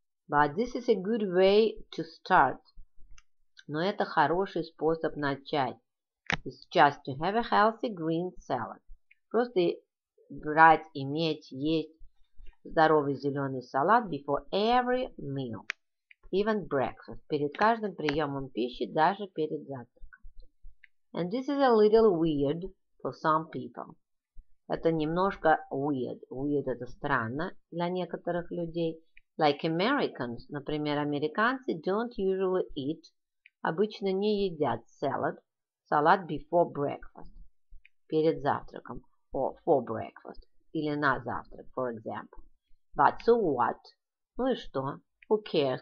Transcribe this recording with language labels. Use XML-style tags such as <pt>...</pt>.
<en>But this is a good way to start.</en> <ru>Но это хороший способ начать.</ru> <en>It's just to have a healthy green salad.</en> <ru>Просто брать, иметь, есть здоровый зеленый салат</ru> <en>before every meal. Even breakfast.</en> <ru>Перед каждым приемом пищи, даже перед завтраком.</ru> <en>And this is a little weird for some people.</en> <ru>Это немножко weird. Weird – это странно для некоторых людей.</ru> <en>Like Americans.</en> <ru>Например, американцы</ru> <en>don't usually eat.</en> <ru>Обычно не едят salad. Салат</ru> <en>before breakfast.</en> <ru>Перед завтраком.</ru> <en>Or for breakfast.</en> <ru>Или на завтрак,</ru> <en>for example. But so what?</en> <ru>Ну и что?</ru> <en>Who cares?</en>